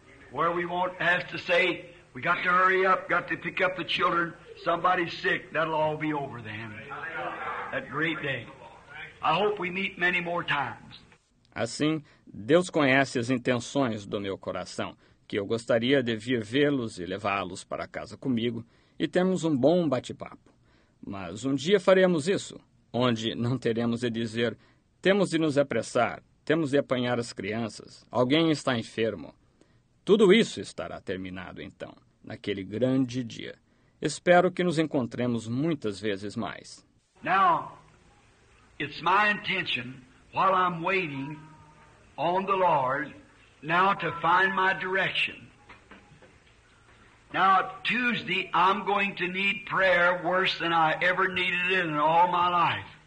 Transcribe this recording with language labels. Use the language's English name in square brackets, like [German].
[English] Where we won't have to say, we got to hurry up, got to pick up the children. Somebody's sick, that'll all be over then. That great day. I hope we meet many more times. [Portuguese] Assim, Deus conhece as intenções do meu coração, que eu gostaria de vir vê-los e levá-los para casa comigo e termos um bom bate-papo. Mas um dia faremos isso, onde não teremos de dizer, temos de nos apressar, temos de apanhar as crianças, alguém está enfermo. Tudo isso estará terminado, então, naquele grande dia. Espero que nos encontremos muitas vezes mais. [English] Now, it's my intention, while I'm waiting on the Lord, now to find my direction. Now, Tuesday, I'm going to need prayer worse than I ever needed it in all my life.